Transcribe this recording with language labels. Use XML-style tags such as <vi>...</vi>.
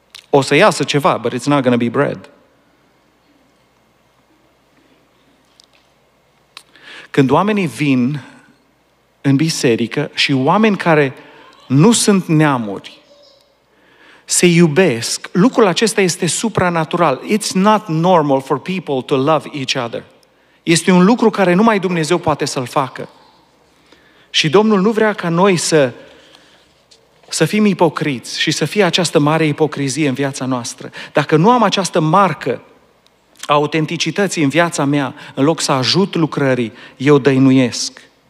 <ro>O să iasă ceva,</ro> <en>but it's not going to be bread.</en> <ro>Când oamenii vin în biserică și oameni care nu sunt neamuri, se iubesc, lucrul acesta este supranatural.</ro> <en>It's not normal for people to love each other.</en> <ro>Este un lucru care numai Dumnezeu poate să-l facă. Și Domnul nu vrea ca noi să fim ipocriți și să fie această mare ipocrizie în viața noastră. Dacă nu am această marcă a autenticității în viața mea, în loc să ajut lucrării, eu dăinuiesc.</ro>